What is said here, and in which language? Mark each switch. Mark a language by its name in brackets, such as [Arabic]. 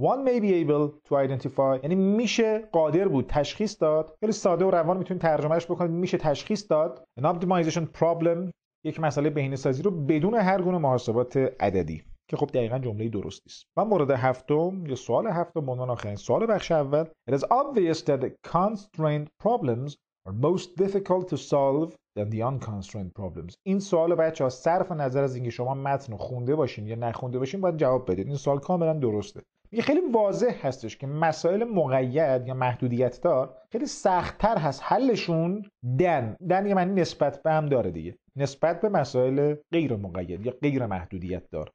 [English] one may be able to identify [Persian] یعنی میشه قادر بود تشخیص داد. خیلی ساده و روان میتونید ترجمهش بکنید، میشه تشخیص داد [English] an optimization problem، [Persian] یک مسئله بهینه‌سازی رو بدون هر گونه محاسبات عددی، که خب دقیقاً جمله درستی است. و مورد هفتم یا سوال هفتم عنوان آخرین سوال بخش اول. [English] It is obvious that the constrained problems are most difficult to solve than the unconstrained problems. [Persian] این سوال بچه‌ها صرف نظر از اینکه شما متن رو خونده باشین یا نخونده باشین باید جواب بدید. این سوال کاملا درسته. میگه خیلی واضح هستش که مسائل مقید یا محدودیت دار خیلی سخت‌تر هست حلشون دن یه معنی نسبت به هم داره دیگه، نسبت به مسائل غیر مقید یا غیر محدودیت دار.